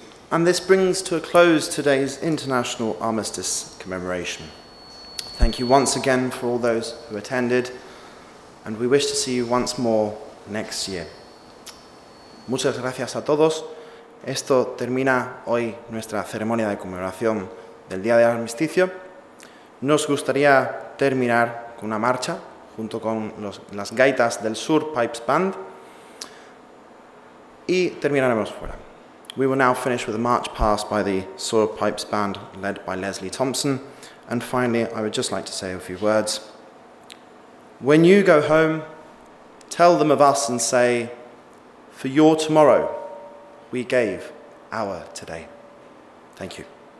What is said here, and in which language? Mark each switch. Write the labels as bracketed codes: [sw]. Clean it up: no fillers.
[en] And this brings to a close today's International Armistice Commemoration. Thank you once again for all those who attended, and we wish to see you once more next year. [es] Muchas gracias a todos. Esto termina hoy nuestra ceremonia de conmemoración del Día del Armisticio. Nos gustaría terminar con una marcha junto con las gaitas del Sur Pipes Band y terminaremos fuera. [en] We will now finish with a march passed by the Sword Pipes Band, led by Leslie Thompson. And finally, I would just like to say a few words. When you go home, tell them of us and say, for your tomorrow, we gave our today. Thank you.